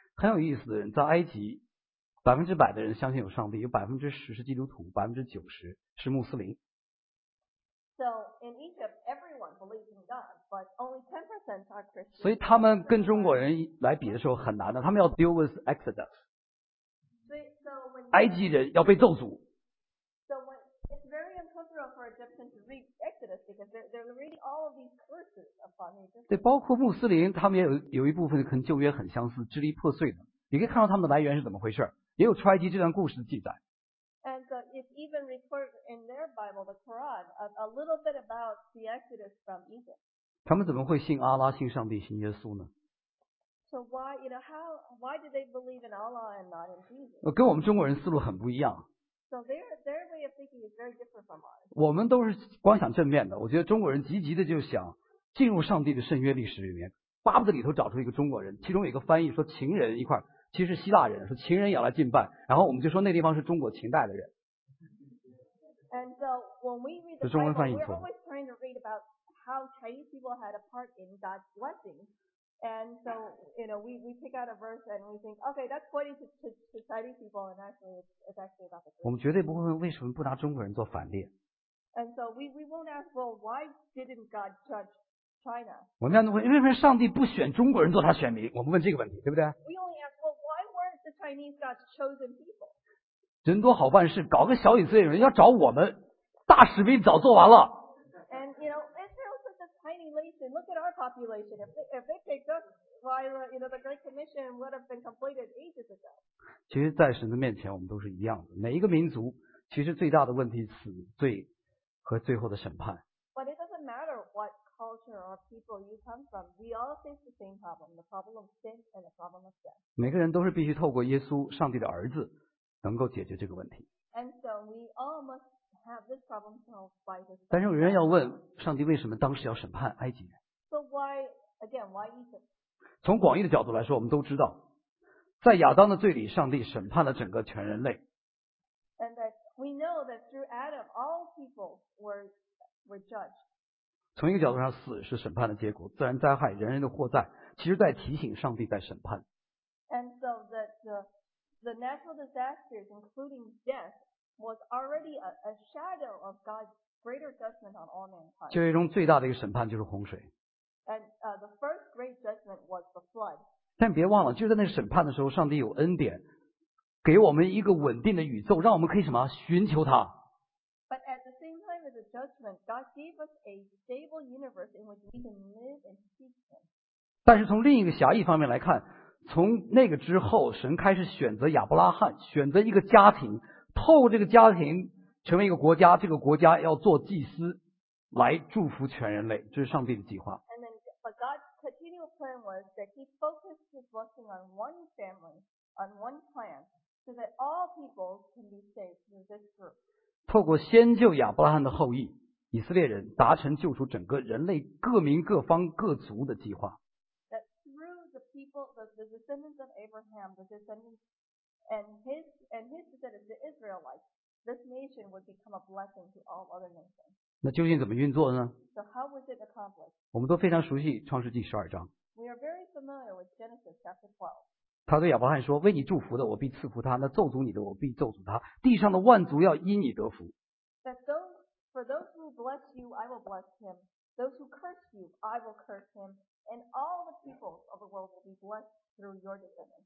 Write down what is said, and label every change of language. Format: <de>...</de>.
<zh>很有意思的人，在埃及，100%的人相信有上帝，有10%是基督徒，90%是穆斯林。</zh> <en>So in Egypt, everyone believes in God, but only 10% are Christians.</en> <zh>所以他们跟中国人来比的时候很难的，他们要</zh> <en>deal with Exodus.</en> <zh>所以</zh> <en>so when</en> <zh>埃及人要被咒诅。</zh> <en>So when it's very uncomfortable for Egyptians to read Exodus because they're reading all of these curses upon Egypt.</en> <zh>对，包括穆斯林，他们也有一部分跟旧约很相似，支离破碎的。你可以看到他们的来源是怎么回事，也有出埃及这段故事的记载。</zh> <en>And so it's even recorded in their Bible, the Quran, a little bit about the Exodus from Egypt.</en> <zh>他们怎么会信阿拉、信上帝、信耶稣呢？</zh> <en>So why, you know, how, why did they believe in Allah and not in Jesus?</en> <zh>跟我们中国人思路很不一样。</zh> <en>So their way of thinking is very different from ours.</en> <zh>我们都是光想正面的。我觉得中国人积极的就想进入上帝的圣约历史里面，巴不得里头找出一个中国人。其中有一个翻译说情人一块，其实是希腊人，说情人也来敬拜，然后我们就说那地方是中国秦代的人。</zh> <en>And so when we read the Bible, we're always trying to read about how Chinese people had a part in God's blessing. And so, you know, we pick out a verse and we think, okay, that's pointing to society people, and actually it's actually about the church.</en> <zh>我们绝对不会问为什么不拿中国人做反例。</zh> <en>And so we won't ask, well, why didn't God judge China?</en> <zh>我们要问为什么上帝不选中国人做他选民？我们问这个问题，对不对</zh> <en>？We only ask, well, why weren't the Chinese God's chosen people?</en> <zh>人多好办事，搞个小以色列人要找我们，大使命早做完了。</zh> <en>Look at our population. If they picked us, why, you know, the Great Commission would have been completed ages ago.</en> <zh>其实，在神的面前，我们都是一样的。每一个民族，其实最大的问题是死罪和最后的审判。</zh> <en>But it doesn't matter what culture or people you come from. We all face the same problem: the problem of sin and the problem of death.</en> <zh>每个人都是必须透过耶稣，上帝的儿子，能够解决这个问题。</zh> <en>And so we all must. Have this problem solved by this problem.</en> <zh>但是有人要问上帝为什么当时要审判埃及人</zh> <en>So why, again, why Egypt?</en> <zh>从广义的角度来说我们都知道在亚当的罪里上帝审判了整个全人类</zh> <en>And that we know that through Adam all people were judged</en> <zh>从一个角度上死是审判的结果自然灾害人人的祸灾其实在提醒上帝在审判</zh> <en>And so that the natural disasters including deathwas already a shadow of God's greater judgment on all mankind.</en> <zh>旧约中最大的一个审判就是洪水。</zh> <en>And the first great judgment was the flood.</en> <zh>但别忘了，就在那审判的时候，上帝有恩典，给我们一个稳定的宇宙，让我们可以什么寻求他。</zh> <en>But at the same time as the judgment, God gave us a stable universe in which we can live and seek Him.</en> <zh>但是从另一个狭义方面来看，从那个之后，神开始选择亚伯拉罕，选择一个家庭。透过这个家庭成为一个国家，这个国家要做祭司来祝福全人类，这是上帝的计划。</zh> <en>And then, but God's continual plan was that He focused His blessing on one family, on one clan, so that all people can be saved through this group.</en> <zh>透过先救亚伯拉罕的后裔以色列人，达成救出整个人类各民各方各族的计划。</zh> <en>That through the people, the descendants of Abraham, the descendants. And his descendants, the Israelites, this nation would become a blessing to all other nations.</en> <zh>那究竟怎么运作呢</zh> <en>？So how was it accomplished?</en> <zh>我们都非常熟悉创世纪十二章。</zh> <en>We are very familiar with Genesis chapter 12.</en> <zh>他对亚伯拉罕说：“为你祝福的，我必赐福他；那咒诅你的，我必咒诅他。地上的万族要因你得福。”</zh> <en>That those for those who bless you, I will bless him. Those who curse you, I will curse him. And all the peoples of the world will be blessed through your descendants.</en>